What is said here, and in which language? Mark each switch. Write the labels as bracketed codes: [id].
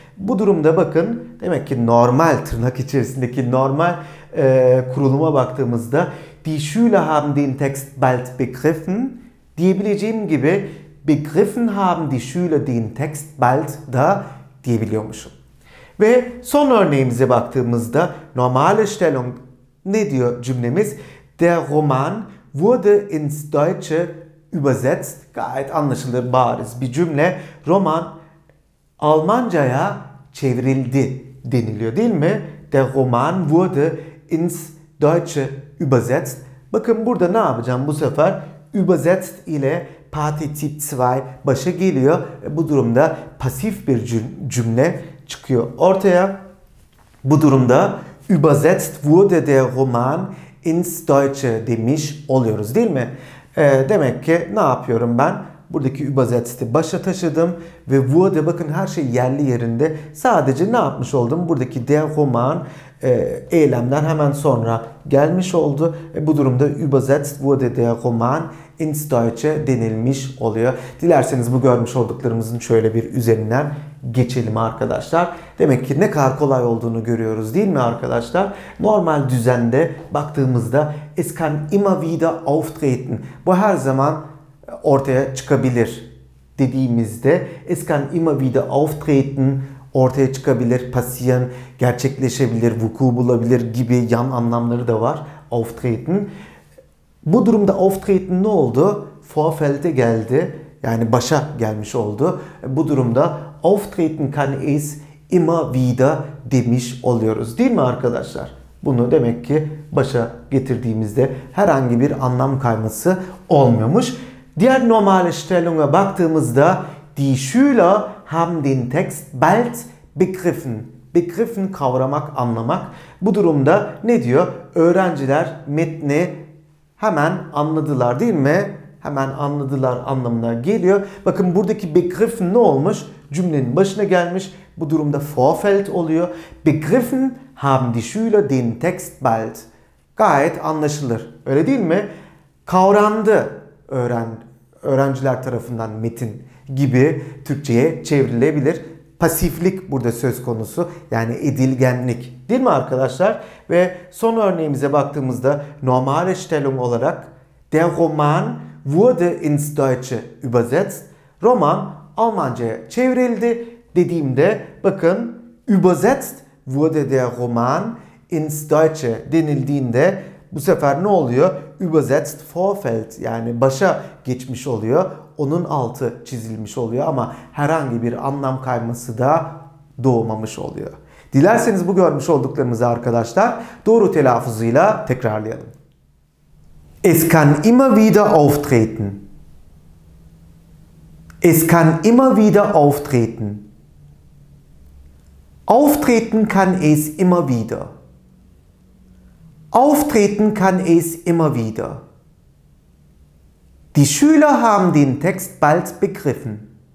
[tr] Bu durumda bakın, demek ki normal, tırnak içerisindeki normal kuruluma baktığımızda [de] die Schüler haben den Text bald begriffen [tr] diyebileceğim gibi [de] begriffen haben die Schüler den Text bald [tr] da diyebiliyormuşum. Ve son örneğimize baktığımızda normale Stellung ne diyor cümlemiz? [de] Der Roman wurde ins Deutsche übersetzt. [tr] Gayet anlaşılır, bariz bir cümle. Roman Almanca'ya çevrildi deniliyor, değil mi? [de] Der Roman wurde ins Deutsche übersetzt. [tr] Bakın burada ne yapacağım bu sefer? Übersetzt ile Partizip 2 başa geliyor. Bu durumda pasif bir cümle çıkıyor ortaya. Bu durumda [de] übersetzt wurde der Roman ins Deutsche [tr] demiş oluyoruz, değil mi? Demek ki ne yapıyorum ben? Buradaki übersetzt'i başa taşıdım ve wurde, bakın her şey yerli yerinde. Sadece ne yapmış oldum? Buradaki der Roman eylemden hemen sonra gelmiş oldu. Bu durumda [de] übersetzt wurde der Roman ins Deutsche [tr] denilmiş oluyor. Dilerseniz bu görmüş olduklarımızın şöyle bir üzerinden geçelim arkadaşlar. Demek ki ne kadar kolay olduğunu görüyoruz, değil mi arkadaşlar? Normal düzende baktığımızda [de] es kann immer wieder auftreten. [tr] Bu her zaman ortaya çıkabilir dediğimizde [de] es kann immer wieder auftreten, [tr] ortaya çıkabilir, passieren, gerçekleşebilir, vuku bulabilir gibi yan anlamları da var auftreten. Bu durumda auftreten ne oldu? Vorfeld'e geldi. Yani başa gelmiş oldu. Bu durumda [de] auftreten kann es immer wieder [tr] demiş oluyoruz, değil mi arkadaşlar? Bunu demek ki başa getirdiğimizde herhangi bir anlam kayması olmuyormuş. Diğer [de] normale Stellung'a [tr] baktığımızda [de] die Schüler haben den Text bald begriffen. [tr] Begriffen kavramak, anlamak. Bu durumda ne diyor? Öğrenciler metni hemen anladılar, değil mi? Hemen anladılar anlamına geliyor. Bakın buradaki begriffen ne olmuş? Cümlenin başına gelmiş. Bu durumda Vorfeld oluyor. [de] Begriffen haben die Schüler den Text bald. [tr] Gayet anlaşılır. Öyle değil mi? Kavrandı öğrenciler tarafından metin gibi Türkçe'ye çevrilebilir. Pasiflik burada söz konusu. Yani edilgenlik. Değil mi arkadaşlar? Ve son örneğimize baktığımızda [de] normale Stellung [tr] olarak [de] der Roman wurde ins Deutsche übersetzt. [tr] Roman Almanca'ya çevrildi dediğimde bakın [de] übersetzt wurde der Roman ins Deutsche [tr] denildiğinde bu sefer ne oluyor? Übersetzt Vorfeld, yani başa geçmiş oluyor. Onun altı çizilmiş oluyor ama herhangi bir anlam kayması da doğmamış oluyor. Dilerseniz bu görmüş olduklarımızı arkadaşlar doğru telaffuzuyla tekrarlayalım. [de] Es kann immer wieder auftreten. Es kann immer wieder auftreten. Auftreten kann es immer wieder. Auftreten kann es immer wieder. Die Schüler haben den Text bald begriffen.